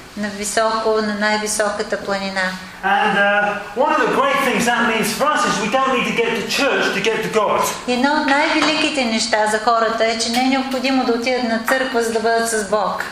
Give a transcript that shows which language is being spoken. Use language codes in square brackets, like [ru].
[bg] На високо, на най-високата планина. [en] And one of the great things that means for us is we don't need to get to church to get to God. [bg] Едно от най-великите неща за хората е, че не е необходимо да отидат на църква, за да бъдат с Бог.